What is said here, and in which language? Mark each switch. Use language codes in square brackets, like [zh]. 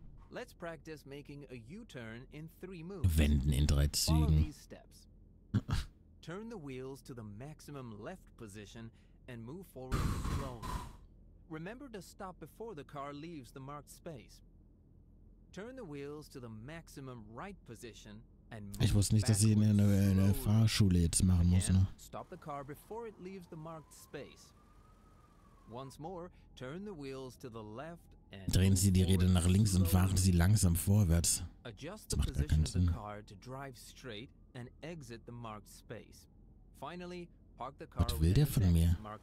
[en] Let's practice making a U-turn in three moves. [de] Wenden in drei Zügen. [en] Follow these steps. Turn the wheels to the maximum left position and move forward slowly. Remember to stop before the car leaves the marked space. Turn the wheels to the maximum right position and move. [de] Ich wusste nicht, dass ich eine Fahrschule jetzt machen muss, ne? [en] Stop the car before it leaves the marked space. Once more, turn the wheels to the left. [de] Drehen Sie die Räder nach links und fahren Sie langsam vorwärts. Das macht gar keinen Sinn. Was will der von mir?